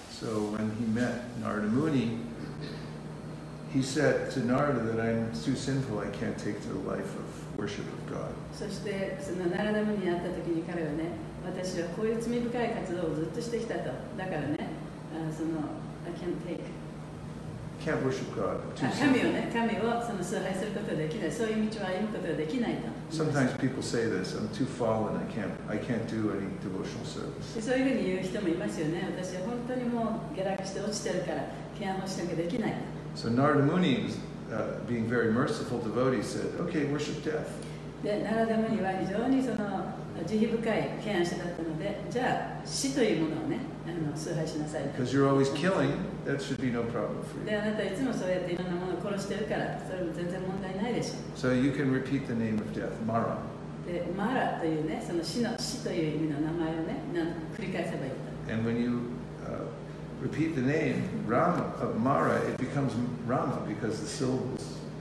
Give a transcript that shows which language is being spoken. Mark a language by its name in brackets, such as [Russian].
[English] So when he met Narada Muni, he said to Narada that I'm too sinful, I can't take the life of worship of God. [Japanese] そしてそのナラダムに会った時に彼はね、私はこういう罪深い活動をずっとしてきたと、だからね、その [English] I can't take can't worship God too soon. [Japanese] 神をね、神をその崇拝することができない、そういう道を歩むことができないと。 [English] Sometimes people say this, I'm too fallen, I can't do any devotional service. [Japanese] そういうふうに言う人もいますよね。私は本当にもう下落して落ちてるから啓蒙しなきゃできない。 [English] So Narada Muni, being very merciful devotee, said, okay, worship death. [Japanese] で、ナラダムニは非常にその慈悲深い啓蒙者だったので、じゃあ死というものをね、崇拝しなさい。 [English] Because you're always killing, that should be no problem for you. [Japanese] で、あなたはいつもそうやっていろんなものを殺してるから、それも全然問題ないでしょ。 [English] So you can repeat the name of death, Mara. [Japanese] で、マラというね、その死という意味の名前をね、繰り返せばいいと。 [English] And when you repeat the name Rama of Mara, it becomes Rama because the syllables.